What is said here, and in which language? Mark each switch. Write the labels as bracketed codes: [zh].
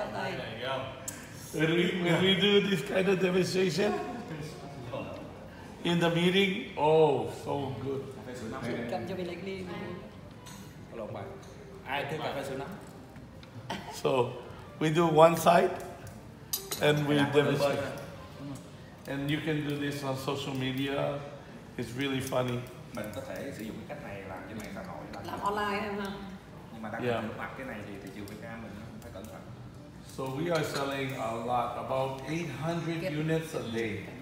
[vi] bắp tay [en] when we do this kind of demonstration in the meeting, oh so good. [vi] Cầm cho mình lấy đi hello bạn, ai thích cà phê số 5? [en] So we do one side, and we demonstrate. And you can do this on social media. It's really funny. [vi] Mình có thể sử dụng cái cách này làm trên mạng xã hội. Làm online em ha. Nhưng mà đang nhìn mặt cái này thì thị trường Việt Nam mình phải cẩn thận. [en] So we are selling a lot, about 800 units a day.